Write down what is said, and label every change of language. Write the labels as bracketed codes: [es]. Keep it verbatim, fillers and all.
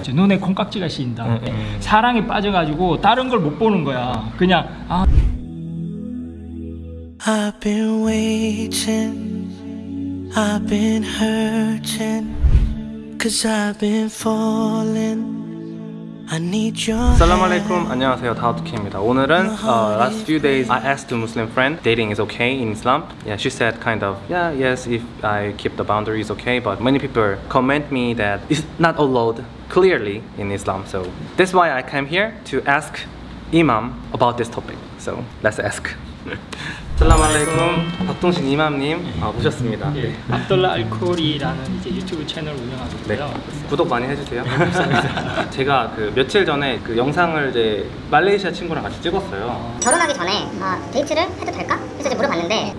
[ko] 이제 눈에 콩깍지가 씌인다. 음, 음. 사랑에 빠져가지고 다른 걸 못 보는 거야. 그냥 아, [en] I've been waiting, I've been hurting, cause I've been falling. I need your [ar] Assalamu [en] hand. alaikum. [ko] 안녕하세요. 다우드키입니다. 오늘은 [en] uh, last few days I asked a Muslim friend dating is okay in Islam. Yeah, she said kind of yeah, yes, if I keep the boundaries okay, but many people comment me that it's not allowed clearly in Islam. So that's why I came here to ask Imam about this topic. So let's ask. Assalamu alaikum. [ko] 박동식 이맘님 아, 모셨습니다. 예, 압돌라 알코리라는 이제 유튜브 채널 운영하고 네, 있고요. 구독 많이 해주세요. 제가 그 며칠 전에 그 영상을 이제 말레이시아 친구랑 같이 찍었어요. 결혼하기 전에 아, 데이트를 해도 될까? 그래서 이제 물어봤는데